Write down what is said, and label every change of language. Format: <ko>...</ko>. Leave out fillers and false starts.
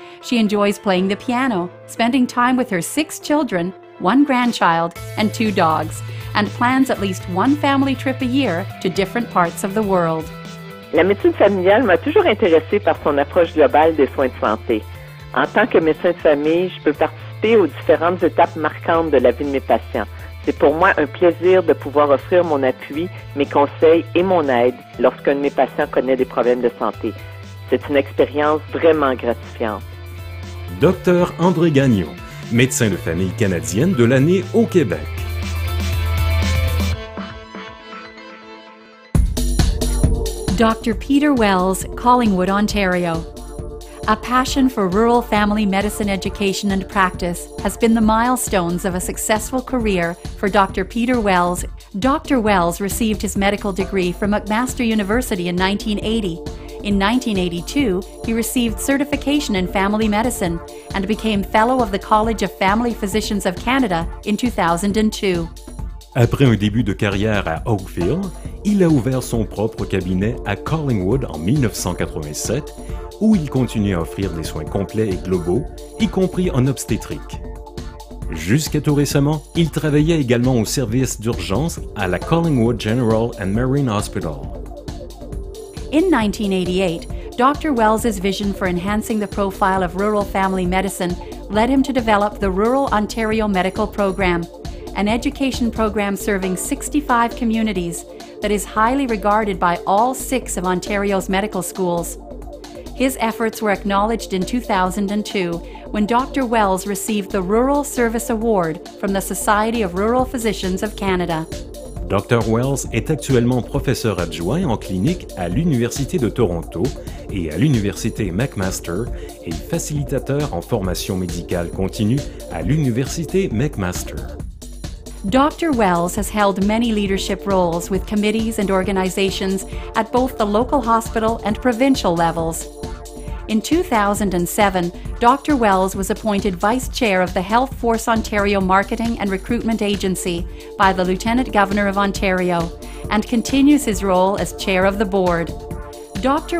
<en>She enjoys playing the piano, spending time with her six children, one grandchild, and two dogs, and plans at least one family trip a year to different parts of the world.</en> <fr>La médecine familiale m'a toujours intéressée par son approche globale des soins de santé. En tant que médecin de famille, je peux participer aux différentes étapes marquantes de la vie de mes patients. C'est pour moi un plaisir de pouvoir offrir mon appui, mes conseils et mon aide lorsqu'un de mes patients connaît des problèmes de santé. C'est une expérience vraiment gratifiante. Dr. André Gagnon, médecin de famille canadienne de l'année au Québec.</fr> <en>Dr. Peter Wells, Collingwood, Ontario. A passion for rural family medicine education and practice has been the milestones of a successful career for Dr. Peter Wells. Dr. Wells received his medical degree from McMaster University in 1980. In 1982, he received certification in family medicine and became Fellow of the College of Family Physicians of Canada in 2002.</en> <fr>Après un début de carrière à Oakville, il a ouvert son propre cabinet à Collingwood en 1987, où il continue à offrir des soins complets et globaux, y compris en obstétrique. Jusqu'à tout récemment, il travaillait également au service d'urgence à la Collingwood General and Marine Hospital.</fr> <en>In 1988, Dr. Wells's vision for enhancing the profile of rural family medicine led him to develop the Rural Ontario Medical Program, an education program serving 65 communities that is highly regarded by all six of Ontario's medical schools. His efforts were acknowledged in 2002 when Dr. Wells received the Rural Service Award from the Society of Rural Physicians of Canada.</en> <fr>Dr. Wells est actuellement professeur adjoint en clinique à l'Université de Toronto et à l'Université McMaster et facilitateur en formation médicale continue à l'Université McMaster.</fr> <en>Dr. Wells has held many leadership roles with committees and organizations at both the local hospital and provincial levels. In 2007, Dr. Wells was appointed Vice Chair of the Health Force Ontario Marketing and Recruitment Agency by the Lieutenant Governor of Ontario and continues his role as Chair of the Board. Dr.</en>